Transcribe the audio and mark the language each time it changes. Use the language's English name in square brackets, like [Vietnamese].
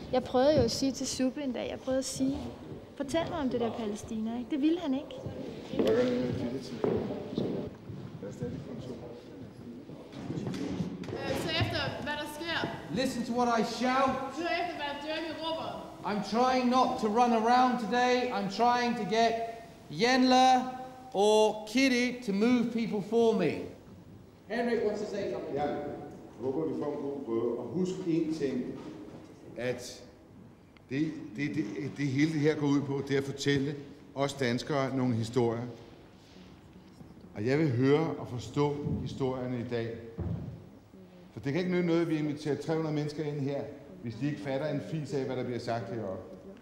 [Danish] Jeg prøvede jo at sige til Suppe en dag, jeg prøvede at sige, fortæl mig om det der Palæstina, ikke? Det ville han ikke. Så efter, hvad der sker. [English] Listen to what I shout. [Danish] Så efter, hvad Djørke råber. [English] I'm trying not to run around today. I'm trying to get Yenla or Kitty to move people for me. Henrik, what's to say? [Danish] Ja, håber vi får en god prøve. Og husk en ting, at det hele det her går ud på, det er at fortælle os danskere nogle historier. Og jeg vil høre og forstå historierne i dag. For det kan ikke nytte noget, at vi inviterer 300 mennesker ind her, hvis de ikke fatter en fis af, hvad der bliver sagt heroppe.